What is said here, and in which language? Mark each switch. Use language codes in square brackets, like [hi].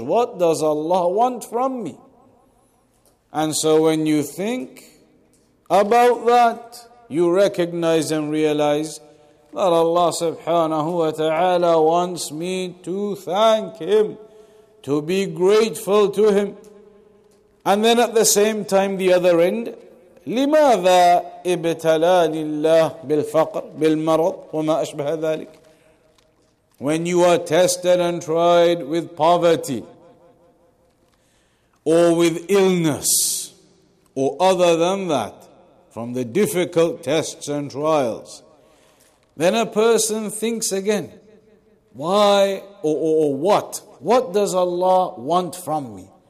[en] What does Allah want from me? And so when you think about that, you recognize and realize that Allah subhanahu wa ta'ala wants me to thank Him, to be grateful to Him. And then at the same time, the other end, [ar] لماذا ابتلاني الله بالفقر بالمرض وما أشبه ذلك. [en] When you are tested and tried with poverty or with illness or other than that, from the difficult tests and trials, then a person thinks again, why or what does Allah want from me?